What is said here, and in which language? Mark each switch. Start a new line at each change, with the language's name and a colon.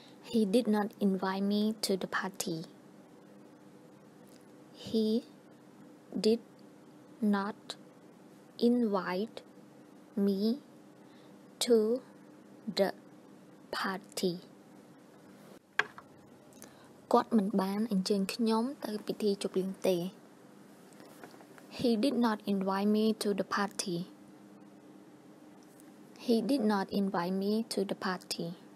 English: He did not invite me to the party. He did not invite me to the party.
Khmer: គាត់មិនបានអញ្ជើញខ្ញុំទៅពិធីជប់លៀងទេ.
English: He did not invite me to the party. He did not invite me to the party.